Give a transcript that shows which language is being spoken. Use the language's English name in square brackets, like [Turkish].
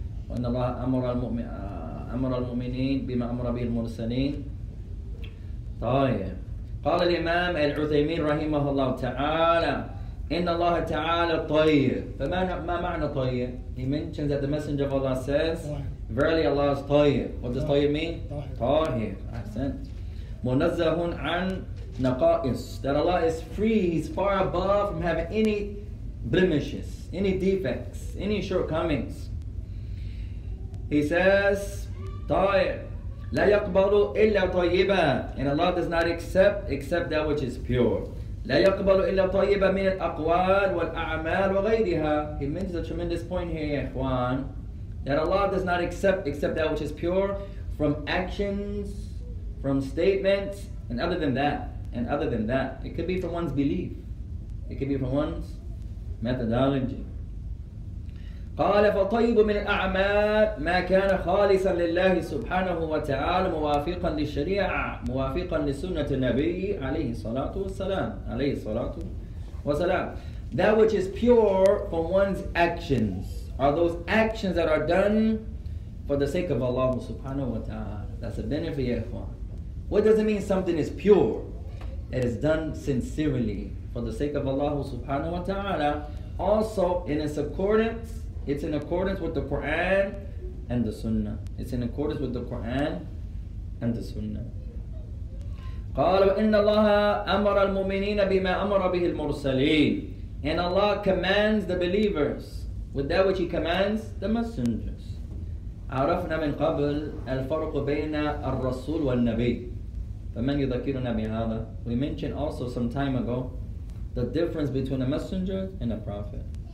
[Arabic] وإن الله أمر المؤمن أمر المؤمنين بما أمر به المرسلين. طيب قال الإمام العثيمين رحمه الله تعالى إن الله تعالى طيب. فما ما معنى طيب؟ [English] He mentions that the messenger of Allah says Verily Allah is طيب. What does طيب mean? [Arabic] طاهر. أحسنت. منزه عن نقائص. [English] That Allah is free. He's far above from having any blemishes, any defects, any shortcomings. He says, طاهر. [Arabic] لا يقبل إلا طيبا. [English] And Allah does not accept that which is pure. [Arabic] لا يقبل إلا طيبا من الأقوال والأعمال وغيرها. [English] He mentions a tremendous point here, إخوان. That Allah does not accept that which is pure from actions, from statements, and other than that. It could be from one's belief. It could be from one's methodology. [Arabic] قال فطيب من الأعمال ما كان خالصا لله سبحانه وتعالى موافقا للشريعة موافقا لسنة النبي عليه الصلاة والسلام عليه الصلاة والسلام. [English] That which is pure from one's actions. Are those actions that are done for the sake of Allah subhanahu wa ta'ala. That's a benefit, ya ikhwan. What does it mean something is pure? It is done sincerely for the sake of Allah subhanahu wa ta'ala. Also, it's in accordance with the Quran and the Sunnah. It's in accordance with the Quran and the Sunnah. [Arabic] قَالُوا إِنَّ اللَّهَ أَمَرَ الْمُؤْمِنِينَ بِمَا أَمَرَ بِهِ الْمُرْسَلِينَ [English] And Allah commands the believers with that which he commands the messengers. [Arabic] عرفنا من قبل الفرق بين الرسول والنبي. فمن يذكرنا بهذا. [English] We mentioned also some time ago the difference between a messenger and a prophet.